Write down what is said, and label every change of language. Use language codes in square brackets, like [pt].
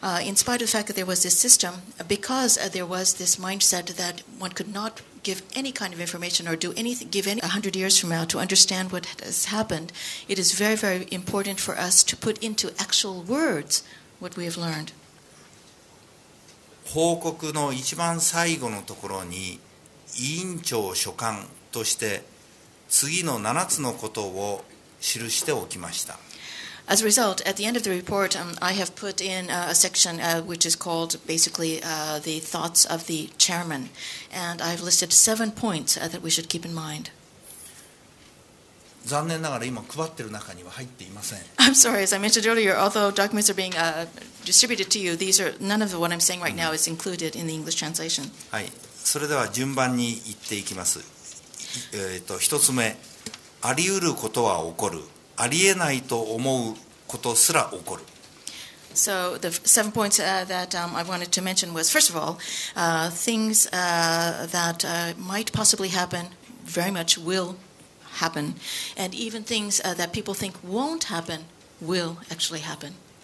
[en] In spite of the fact that there was this system, because there was this mindset that one could not give any kind of information or do anything, give any 100 years from now to understand what has happened, it is very, very important for us to put into actual words what we have learned. [ja] 報告の一番最後のところに委員長所管として次の7つのことを記しておきました。 [en] As a result, at the end of the report, I have put in a section which is called basically the thoughts of the chairman. And I've listed 7 points that we should keep in mind. [ja] 残念ながら今配ってる中には入っていません。 [en] I'm sorry, as I mentioned earlier, although documents are being distributed to you, these are, none of what I'm saying right now is included in the English translation. [ja] はい、それでは順番に言っていきます。1つ目、あり得ることは起こる。ありえないと思うことすら起こる。 [en] So the 7 points that I wanted to mention was, first of all, things that might possibly happen very much will happen, and even things that people think won't happen will actually happen.